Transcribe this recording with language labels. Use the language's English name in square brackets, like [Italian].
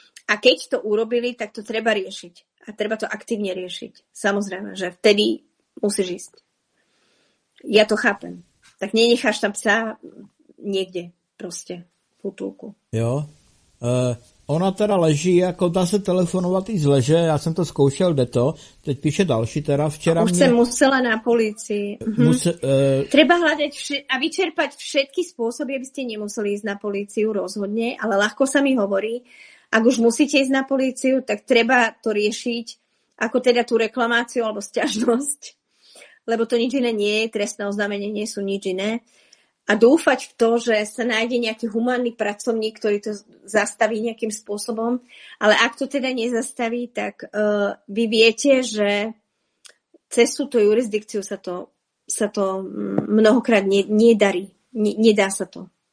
[Slovak] A keď to urobili, tak to treba riešiť. A treba to aktívne riešiť. Samozrejme, že vtedy musíš ísť. Ja to chápem. [Czech] tak mě necháš tam psa někde prostě v útulku. Jo. Ona teda leží, jako dá se telefonovat i z leže, já jsem to zkoušel, jde to. Teď píše další teda, včera už mě... Už jsem musela na policii. Treba hledat a vyčerpat všetky způsoby, abyste nemuseli jít na policii rozhodně, [Slovak] ale ľahko [Czech] se mi hovorí. [Slovak] Ak už musíte jít na policii, tak treba to riešiť, ako teda tu reklamáciu alebo sťažnosť, lebo to nič iné nie je, trestné oznámenie nie sú nič iné. A dúfať v to, že sa nájde nejaký humánny pracovník, ktorý to zastaví nejakým spôsobom, ale ak to teda nezastaví, tak vy viete, že cez túto jurisdikciu sa to mnohokrát nedarí. Nedá sa to.